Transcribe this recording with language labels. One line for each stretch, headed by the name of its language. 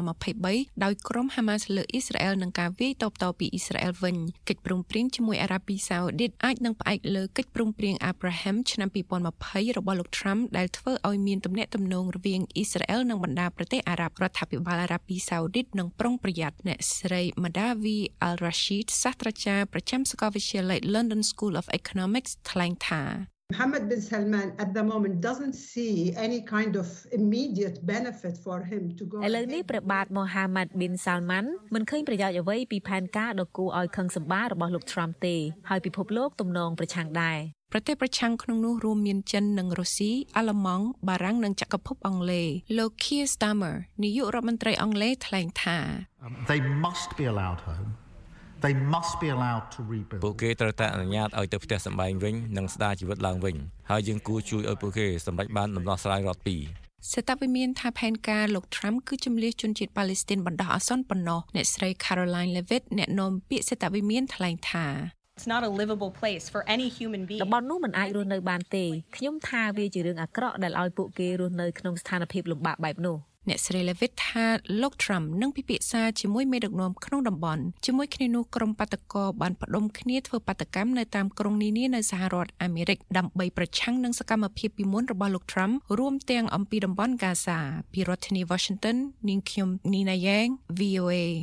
Khmer: 2023ដោយក្រុម Hamas លើអ៊ីស្រាអែលនិងការវាយតបតពីអ៊ីស្រាអែលវិញកិច្ចព្រមព្រៀងជាមួយអារ៉ាប៊ីសាអូឌីតអាចនឹងផ្អែកលើកិច្ចព្រមព្រៀង Abraham ឆ្នាំ2020របស់លោក Trump ដែលធ្វើឲ្យមានទំនាក់ទំនងរវាងអ៊ីស្រាអែលនិងបណ្ដាប្រទេសអារ៉ាប់រដ្ឋាភិបាលអារ៉ាប៊ីសាអូឌីតនឹងប្រុងប្រយ័ត្នអ្នកស្រី Madavi Al-Rashid សាស្ត្រាចារ្យប្រចាំសាកលវិទ្យាល័យ London School of Economics ថ្លែងថា
English: Mohammed bin Salman at the moment doesn't see any kind of immediate benefit for him to go
Khmer: ឥឡូវនេះព្រះបាទ Mohammed bin Salman មិនឃើញប្រយោជន៍អ្វីពីផែនការដ៏គួរឲ្យខឹងសម្បាររបស់លោក Trump ទេហើយពិភពលោកទំនងប្រឆាំងដែរ ប្រទេសប្រឆាំងក្នុងនោះរួមមានចិននិងរុស្ស៊ីអាល្លឺម៉ង់បារាំងនិងចក្រភពអង់គ្លេសលោក Keir Starmer នាយករដ្ឋមន្ត្រីអង់គ្លេសថ្លែងថា
English: They must be allowed home. They must be allowed to rebuild.
Khmer: ពួកគេត្រូវតែអនុញ្ញាតឲ្យទៅផ្ទះសម្បែងវិញនិងស្ដារជីវិតឡើងវិញហើយយើងគួរជួយឲ្យពួកគេសម្រេចបានដំណោះស្រាយរដ្ឋពីរ សេតវិមានថាផែនការលោក Trump គឺជំលះជនជាតិប៉ាឡេស្ទីនបណ្ដោះអាសន្នប៉ុណ្ណោះអ្នកស្រី Caroline Levitt អ្នកនាំពាក្យសេតវិមានថ្លែងថា
English: It's not a livable place for any human being.
Khmer: តំបន់នោះមិនអាចរស់នៅបានទេខ្ញុំថាវាជារឿងអាក្រក់ដែលឲ្យពួកគេរស់នៅក្នុងស្ថានភាពលំបាកបែបនោះ អ្នកស្រីលេវិតថាលោកត្រាំនឹងពិភាក្សាជាមួយមេដឹកនាំក្នុងតំបន់ជាមួយគ្នានោះក្រុមបាតុករបានផ្ដុំគ្នាធ្វើបាតុកម្មនៅតាមក្រុងនានានៅសហរដ្ឋអាមេរិកដើម្បីប្រឆាំងនឹងសកម្មភាពពីមុនរបស់លោកត្រាំរួមទាំងអំពីតំបន់កាសាពីរដ្ឋធានី Washington នាងខ្ញុំនីណាយ៉ាង VOA